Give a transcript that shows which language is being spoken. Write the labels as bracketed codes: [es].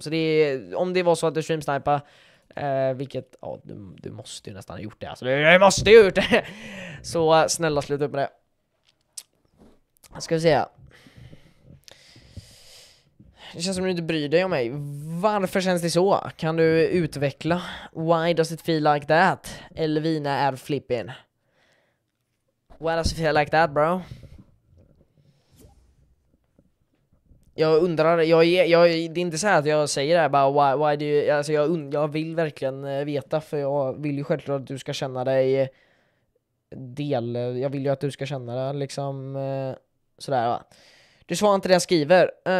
[sv] Så det är, om det var så att du streamsnipade, vilket, ja, du måste ju nästan ha gjort det, alltså, jag måste ju ha gjort det. Så snälla sluta upp med det. Ska vi se. Det känns som att du inte bryr dig om mig. Varför känns det så? Kan du utveckla? [en] Why does it feel like that? [sv] Elvina är flipping. [en] Why does it feel like that, bro? [sv] Jag undrar. Jag, det är inte så här att jag säger det. [en] Bara why do you, [sv] alltså jag vill verkligen veta. För jag vill ju självklart att du ska känna dig del. Jag vill ju att du ska känna dig liksom sådär, va. Du svarar inte det jag skriver.